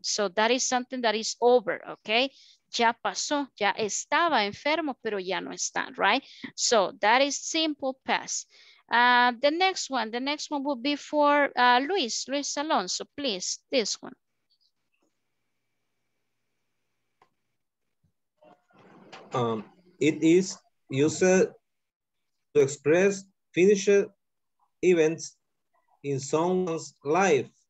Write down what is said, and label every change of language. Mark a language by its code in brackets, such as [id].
[en] So that is something that is over, okay. [es] Ya pasó, ya estaba enfermo, pero ya no está, right? [en] So that is simple past. The next one will be for Luis Alonso, please, this one. It is used to express finished events in someone's life.